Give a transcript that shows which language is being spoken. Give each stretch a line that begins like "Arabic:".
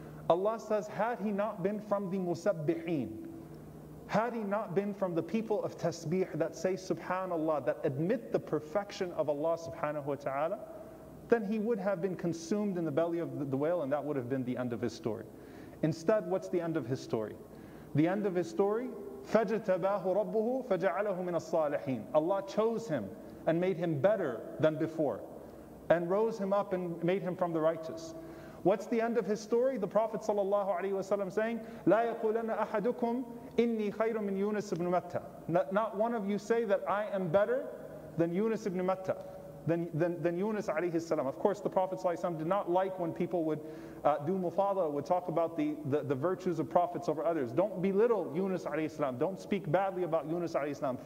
English: Allah says, had he not been from the musabbihin, had he not been from the people of tasbih that say subhanallah, that admit the perfection of Allah subhanahu wa ta'ala, then he would have been consumed in the belly of the whale, and that would have been the end of his story. Instead, what's the end of his story? The end of his story,
Arabic: فَجَتَبَاهُ رَبُّهُ فَجَعَلَهُ مِنَ الصَّالِحِينَ.
English: Allah chose him and made him better than before, and rose him up and made him from the righteous. What's the end of his story? The Prophet sallallahu alaihi wasallam saying,
Arabic: لَا يَقُولَنَّ أَحَدُكُمْ إِنِّي خَيْرٌ مِنْ يُونَسِ بْنُ مَتَّى.
English: Not one of you say that I am better than Yunus ibn Matta, than Yunus alayhi salam. Of course, the Prophet sallallahu alaihi wasallam did not like when people would do mufadala, would talk about the virtues of prophets over others. Don't belittle Yunus alayhi salam. Don't speak badly about Yunus alayhi salam.